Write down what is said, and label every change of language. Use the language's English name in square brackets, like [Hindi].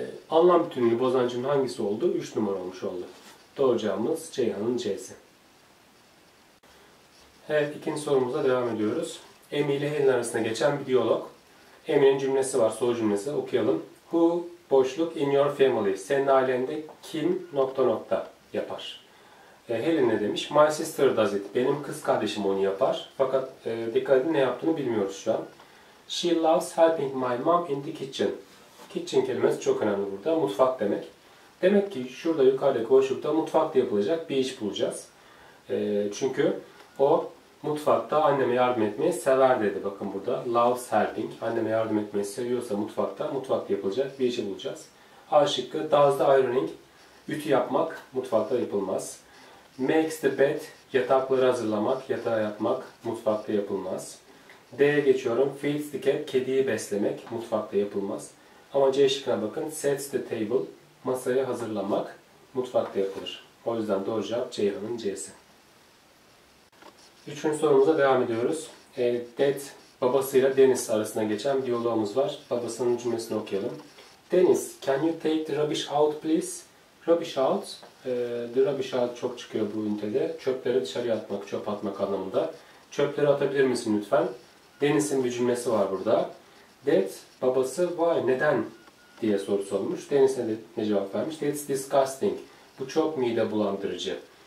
[Turkish] Anlam bütünlüğü bozan cümle hangisi oldu? 3 numara olmuş oldu. Doğru cevabımız Ceyhan'ın C'si. Evet, ikinci sorumuza devam ediyoruz. Amy ile Helen arasında geçen bir diyalog. Amy'nin cümlesi var, soru cümlesi. Okuyalım. [English] Who boşluk in your family? [Turkish] Senin ailende kim nokta nokta yapar? Helen ne demiş? [English] My sister does it. [Turkish] Benim kız kardeşim onu yapar. Fakat dikkat edin, ne yaptığını bilmiyoruz şu an. [English] She loves helping my mom in the kitchen. [Turkish] Kitchen kelimesi çok önemli burada. Mutfak demek. Demek ki şurada yukarıdaki boşlukta mutfakta yapılacak bir iş bulacağız. Çünkü o mutfakta anneme yardım etmeyi sever dedi. Bakın burada. [English] Loves helping. [Turkish] Anneme yardım etmeyi seviyorsa mutfakta yapılacak bir işi bulacağız. A şıkkı. [English] Does the ironing. [Turkish] Ütü yapmak mutfakta yapılmaz. [English] Makes the bed. [Turkish] Yatakları hazırlamak, yatağı yapmak mutfakta yapılmaz. D'ye geçiyorum. [English] Feeds the cat. [Turkish] Kediyi beslemek mutfakta yapılmaz. Ama C şıkkına bakın. [English] Sets the table. [Turkish] Masayı hazırlamak mutfakta yapılır. O yüzden doğru cevap Ceyhan'ın C'si. Üçüncü sorumuza devam ediyoruz. Dad babasıyla Dennis arasında geçen bir diyalogumuz var. Babasının cümlesini okuyalım. [English] Dennis, can you take the rubbish out please? Rubbish out. The rubbish out [Turkish] çok çıkıyor bu ünitede. Çöpleri dışarıya atmak, çöp atmak anlamında. Çöpleri atabilir misin lütfen? Dennis'in bir cümlesi var burada. Dad babası why, neden diye soru sormuş. Dennis ne cevap vermiş? [English] That's disgusting. [Turkish] Bu çok mide bulandırıcı.